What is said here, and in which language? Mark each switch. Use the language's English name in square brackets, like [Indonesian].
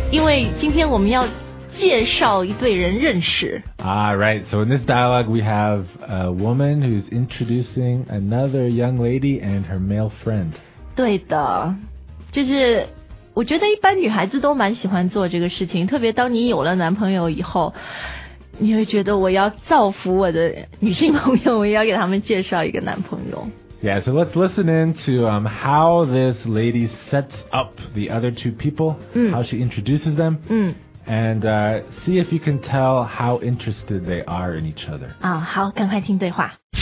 [Chinese] 因为今天我们要介绍一对人认识。 [English] Right. So in this dialogue, we have a woman who's introducing another young lady and her male friend. [Chinese] 对的，就是我觉得一般女孩子都蛮喜欢做这个事情，特别当你有了男朋友以后，你会觉得我要造福我的女性朋友，我也要给他们介绍一个男朋友。 [English] Yeah, so let's listen in to how this lady sets up the other two people,how she introduces them,and see if you can tell how interested they are in each other. [Chinese] 啊，好，赶快听对话。